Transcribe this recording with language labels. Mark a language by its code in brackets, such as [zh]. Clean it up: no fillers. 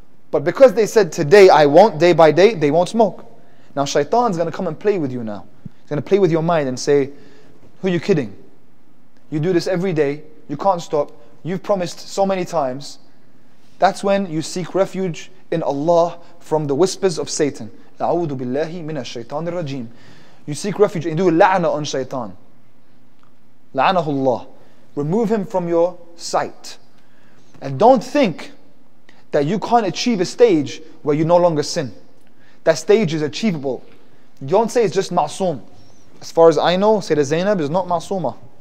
[en] But because they said, today, I won't, day by day, they won't smoke. Now, shaitan's going to come and play with you now. He's going to play with your mind and say, who are you kidding? You do this every day, you can't stop, you've promised so many times. That's when you seek refuge in Allah from the whispers of Satan. [ar] أعوذ بالله من الشيطان الرجيم. [en] You seek refuge and do la'na on shaitan. La'anahu Allah. Remove him from your sight. And don't think that you can't achieve a stage where you no longer sin. That stage is achievable. Don't say it's just ma'soom. As far as I know, Sayyidah Zainab is not ma'soomah.